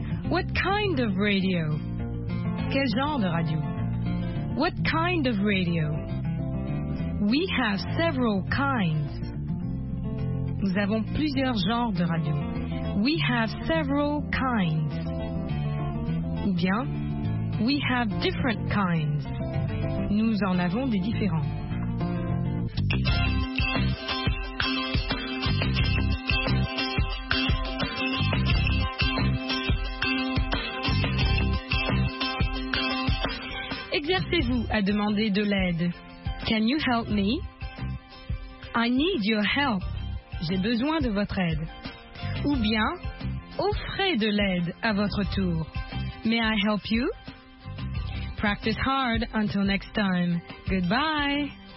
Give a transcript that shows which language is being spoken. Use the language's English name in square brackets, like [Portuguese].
[English] What kind of radio? [French] Quel genre de radio? [English] What kind of radio? We have several kinds. [French] Nous avons plusieurs genres de radio. [English] We have several kinds. [French] Ou bien... [English] We have different kinds. [French] Nous en avons des différents. Exercez-vous à demander de l'aide. [English] Can you help me? I need your help. [French] J'ai besoin de votre aide. Ou bien, offrez de l'aide à votre tour. [English] May I help you? Practice hard until next time. Goodbye.